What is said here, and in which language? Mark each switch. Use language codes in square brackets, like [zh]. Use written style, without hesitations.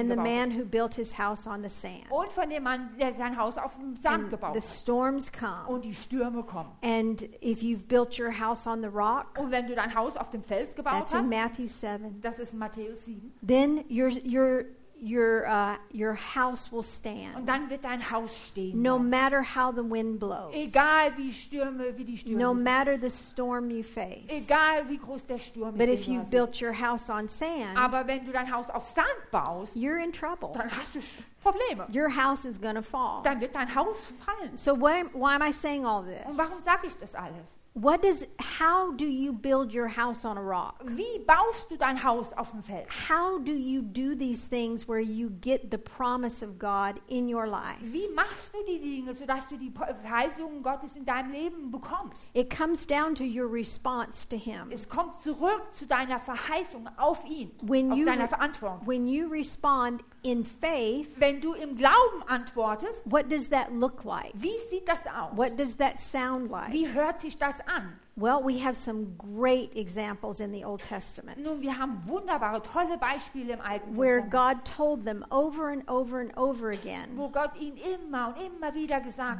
[en] And the man who built his house on the sand. [de] Und von dem Mann, der sein Haus auf dem Sand [en] and [de] gebaut. [en] The storms come. [de] Und die Stürme kommen. [en] And if you've built your house on the rock, [de] du dein Haus auf dem Fels gebaut [en] that's [de] hast, [en] in Matthew 7. [de] Das ist Matthäus 7. [en] Then your house will stand. [de] Und dann wird dein Haus stehen. [en] No matter how the wind blows. [de] Egal wie die Stürme. [en] No matter the storm you face. [de] Egal wie groß der Sturm ist. [en] But if you've built your house on sand, [de] aber wenn du dein Haus auf Sand baust, [en] you're in trouble. [de] Dann hast du Probleme. [en] Your house is gonna fall. [de] Dann wird dein Haus fallen. [en] So why am I saying all this? [de] Und warum sage ich das alles? [en] How do you build your house on a rock? [de] Wie baust du dein Haus auf dem Fels? [en] How do you do these things where you get the promise of God in your life? [de] Wie machst du die Dinge, sodass du die Verheißungen Gottes in deinem Leben bekommst? [en] It comes down to your response to him. [de] Es kommt zurück zu deiner Verheißung auf ihn, auf deiner Verantwortung. [en] When you respond in faith, [de] wenn du im Glauben antwortest, [en] what does that look like? [de] Wie sieht das aus? [en] What does that sound like? [de] Wie hört sich das an? [en] Well, we have some great examples in the Old Testament. [de] Nun, wir haben wunderbare, tolle Beispiele im Alten Testament. [en] Where God told them over and over and over again. [de] Wo Gott ihnen immer und immer wieder gesagt hat.